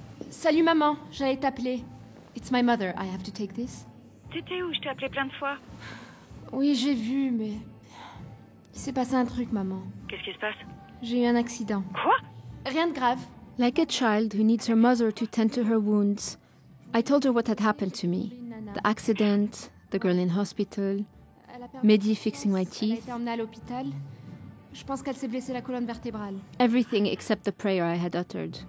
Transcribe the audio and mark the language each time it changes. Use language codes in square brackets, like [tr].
[fr] Salut maman, j'allais t'appeler. [en] It's my mother, I have to take this. [fr] T'étais où, je t'ai appelé plein de fois. Oui, j'ai vu, mais... Il s'est passé un truc, maman. Qu'est-ce qui se passe? J'ai eu un accident. Quoi? Rien de grave. [en] Like a child who needs her mother to tend to her wounds, I told her what had happened to me. The accident, the girl in hospital, Mehdi fixing my teeth. [fr] Elle a été emmenée à l'hôpital. Je pense qu'elle s'est blessée la colonne vertébrale. [en] Everything except the prayer I had uttered.